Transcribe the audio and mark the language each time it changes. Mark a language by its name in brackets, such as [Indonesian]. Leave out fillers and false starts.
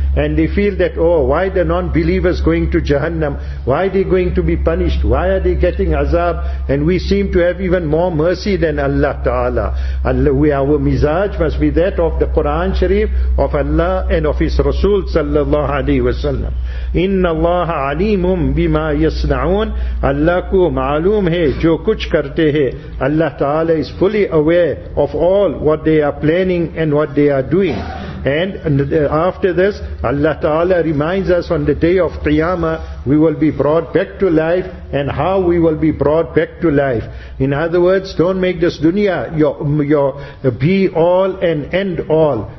[English] And they feel that, oh, why the non-believers going to Jahannam? Why are they going to be punished? Why are they getting azab? And we seem to have even more mercy than Allah Ta'ala. Our mizaj must be that of the Quran Sharif of Allah and of His Rasul Sallallahu Alaihi Wasallam. [Arabic] إِنَّ اللَّهَ عَلِيمٌ بِمَا يَصْنَعُونَ [Urdu] اللَّهَ کو معلوم ہے جو کچھ کرتے ہیں. [English] Allah Ta'ala is fully aware of all what they are planning and what they are doing. And after this, Allah Ta'ala reminds us on the day of Qiyamah, we will be brought back to life, and how we will be brought back to life. In other words, don't make this dunya your be all and end all.